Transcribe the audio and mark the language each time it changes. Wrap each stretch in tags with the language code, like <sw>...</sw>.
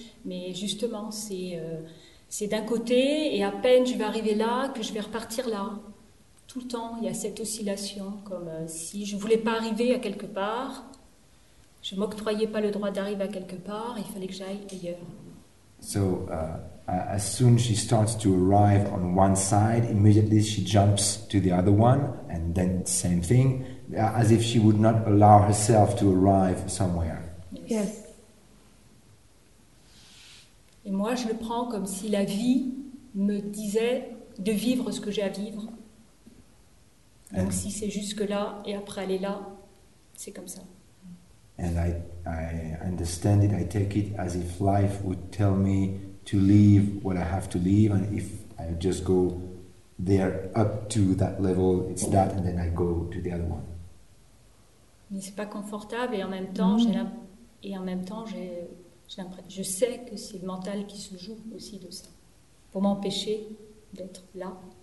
<fr>Mais justement, c'est d'un côté, et à peine je vais arriver là, que je vais repartir là. Tout le temps, il y a cette oscillation, comme si je ne voulais pas arriver à quelque part. Je m'octroyais pas le droit d'arriver à quelque part, il fallait que j'aille ailleurs.</fr> <en>So, as soon she starts to arrive on one side, immediately she jumps to the other one, and then same thing, as if she would not allow herself to arrive somewhere. Yes.</en> <fr>Et moi, je le prends comme si la vie me disait de vivre ce que j'ai à vivre. Donc si c'est jusque là, et après aller là, c'est comme ça.</fr> <en>And I understand it, I take it as if life would tell me to leave what I have to leave, and if I just go there up to that level, it's that, and then I go to the other one.</en> <fr>Mais c'est pas confortable, et en même temps, je sais que c'est le mental qui se joue aussi de ça, pour m'empêcher d'être là</fr>